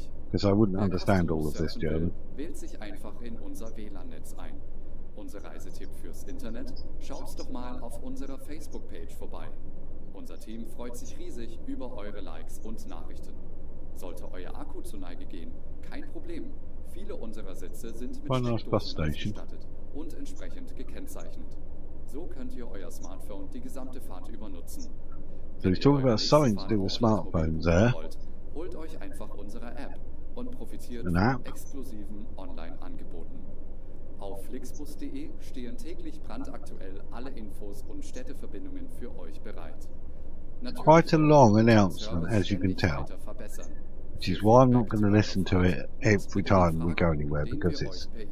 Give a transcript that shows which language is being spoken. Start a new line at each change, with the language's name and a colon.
English: Because I wouldn't understand all of this German.
German: Wählt sich einfach in unser WLAN-Netz ein. Unser Reisetipp fürs Internet? Schaut doch mal auf unserer Facebook-Page vorbei. Unser Team freut sich riesig über eure Likes und Nachrichten. Sollte euer Akku zu Neige gehen, kein Problem. Viele unserer Sitze sind mit Steckdosen ausgestattet und entsprechend gekennzeichnet. So könnt ihr euer Smartphone die gesamte Fahrt über nutzen.
English: So he's talking about something to do with smartphones there.
German: Holt euch einfach unsere App und profitiert von exklusiven Online-Angeboten. Auf flixbus.de stehen täglich brandaktuell alle Infos und Städteverbindungen für euch bereit.
English: Quite a long announcement, as you can tell. Which is why I'm not going to listen to it every time we go anywhere, because it's...